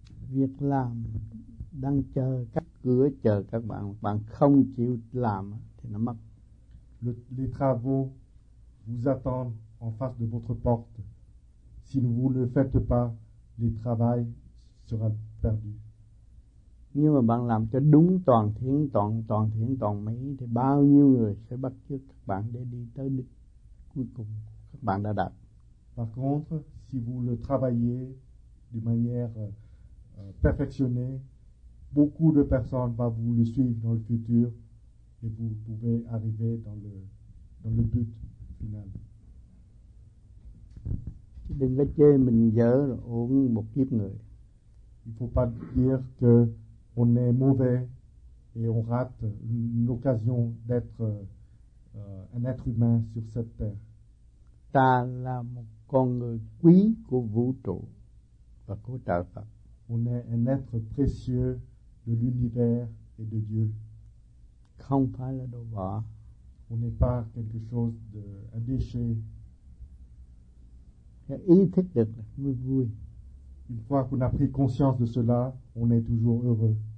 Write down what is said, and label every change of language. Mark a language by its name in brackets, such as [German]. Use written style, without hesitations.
[Vietnamese] Việc làm đang chờ các cửa chờ các bạn, bạn không chịu làm thì nó mất. [French] Les travaux vous attendent en face de votre porte. Si vous ne faites pas, le travail sera perdu. [Vietnamese] Nhưng mà bạn làm cho đúng toàn thiện toàn mỹ thì bao nhiêu người sẽ bắt chước các bạn để đi tới đích cuối cùng các bạn đã đạt. [French] Par contre, si vous le travaillez de manière perfectionné, beaucoup de personnes vont vous le suivre dans le futur et vous pouvez arriver dans le but final. [Vietnamese] Đừng có chê mình dở ổn một kiếp người. [French] Il faut pas dire que on est mauvais et on rate une occasion d'être un être humain sur cette terre. [Vietnamese] Ta là một con người quý của vũ trụ và của trời Phật. [French] On est un être précieux de l'univers et de Dieu. [Vietnamese] Không phải là đồ vỏ. [French] On n'est pas quelque chose de un déchet. [Vietnamese] Ý thức được vui vui. [French] Une fois qu'on a pris conscience de cela, on est toujours heureux.